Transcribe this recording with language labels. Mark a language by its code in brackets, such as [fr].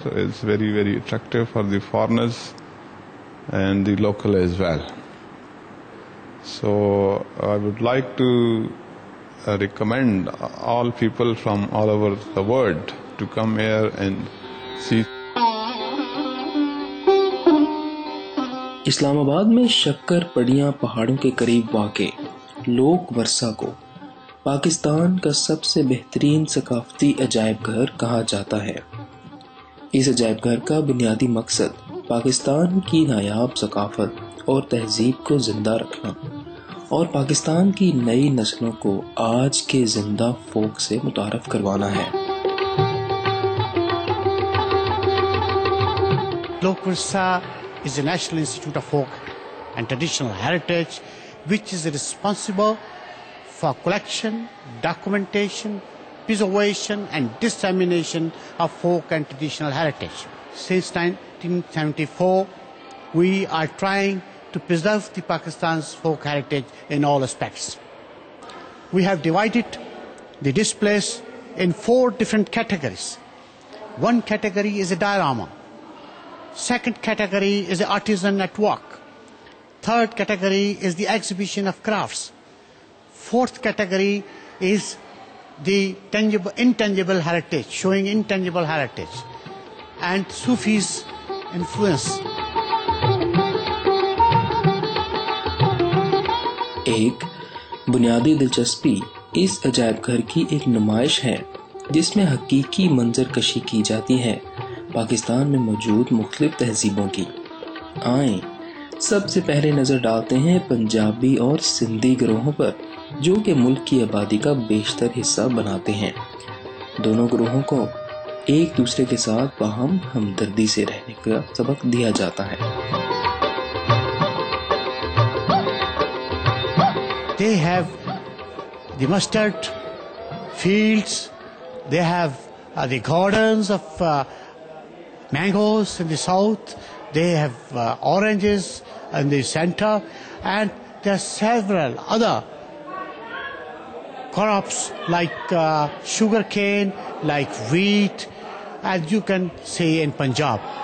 [en] It's very, very attractive for the foreigners and the local as well. So I would like to recommend all people from all over the world to come here and see. [ur] اسلام آباد میں شکر پڑیاں پہاڑوں کے قریب واقع لوک ورثہ کو پاکستان کا سب سے بہترین ثقافتی عجائب گھر کہا جاتا ہے۔ اس عجائب گھر کا بنیادی مقصد پاکستان کی نایاب ثقافت اور تہذیب کو زندہ رکھنا اور پاکستان کی نئی نسلوں کو آج کے زندہ فوک سے متعارف کروانا ہے۔ [en] Lok Virsa is a national institute of folk and traditional heritage which is responsible for collection, documentation, preservation and dissemination of folk and traditional heritage. Since 1974 we are trying to preserve the Pakistan's folk heritage in all aspects. We have divided the displays in 4 different categories. One category is a diorama. Second category is the artisan at work. Third category is the exhibition of crafts. Fourth category is the intangible heritage, showing intangible heritage and Sufi's influence. [ur] ایک بنیادی دلچسپی اس عجائب گھر کی ایک نمائش ہے جس میں حقیقی منظر کشی کی جاتی ہے پاکستان میں موجود مختلف تہذیبوں کی۔ آئیں سب سے پہلے نظر ڈالتے ہیں پنجابی اور سندھی گروہوں پر، جو کہ ملک کی آبادی کا بیشتر حصہ بناتے ہیں۔ دونوں گروہوں کو ایک دوسرے کے ساتھ باہم ہمدردی سے رہنے کا سبق دیا جاتا ہے۔ [en] They have the mustard fields, they have the gardens of mangoes in the south, they have oranges in the center, and there are several other crops like sugarcane, like wheat, as you can see in Punjab.